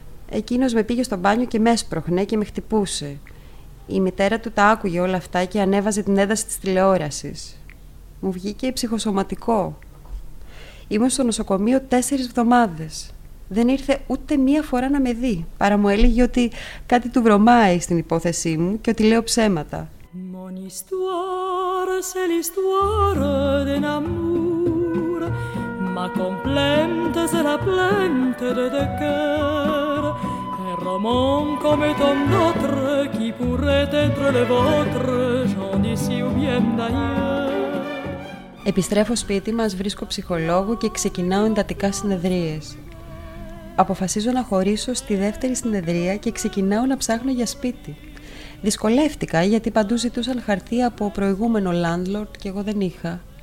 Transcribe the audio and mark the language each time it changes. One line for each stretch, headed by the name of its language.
Greek: Εκείνος με πήγε στο μπάνιο και με έσπρωχνε και με χτυπούσε. Η μητέρα του τα άκουγε όλα αυτά και ανέβαζε την ένταση της τηλεόρασης. Μου βγήκε ψυχοσωματικό. Ήμουν στο νοσοκομείο 4 εβδομάδες. Δεν ήρθε ούτε μία φορά να με δει, παρά μου έλεγε ότι κάτι του βρωμάει στην υπόθεσή μου και ότι λέω ψέματα.
French: Mon histoire, c'est l'histoire d'un amour. Ma complainte, c'est la plainte de cœur. Un roman comme ton autre, qui pourrait être le vôtre, j'en dis si ou bien d'ailleurs.
Greek: Επιστρέφω σπίτι μας, βρίσκω ψυχολόγο και ξεκινάω εντατικά συνεδρίες. Αποφασίζω να χωρίσω στη δεύτερη συνεδρία και ξεκινάω να ψάχνω για σπίτι. Δυσκολεύτηκα γιατί παντού ζητούσαν χαρτί από προηγούμενο landlord και εγώ δεν είχα.